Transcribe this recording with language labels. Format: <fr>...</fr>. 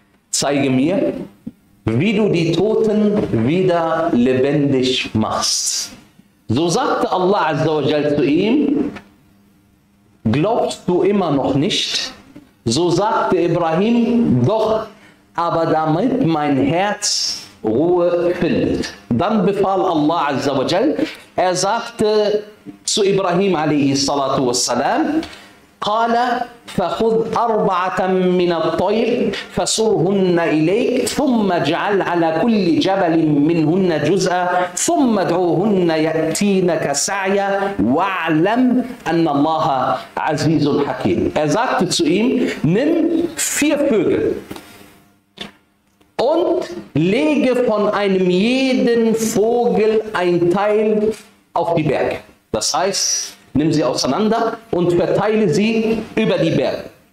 <de>Zeige mir, wie du die Toten wieder lebendig machst. So sagte Allah azza wa jal zu ihm, glaubst du immer noch nicht? So sagte Ibrahim, doch, aber damit mein Herz Ruhe findet. Dann befahl Allah azza wa jal, er sagte zu Ibrahim alayhi salatu wassalam,</de> <ar>قال فخذ أربعة من الطير فصرهن إليك ثم اجعل على كل جبل منهن جزءا ثم ادعوهن يأتينك سعيا واعلم أن الله عزيز حكيم.</ar> <de>Er sagte zu ihm, nimm vier Vögel und lege von einem jeden Vogel ein Teil auf die Berge. Das heißt, nimm sie auseinander und verteile sie über die Berge.</de>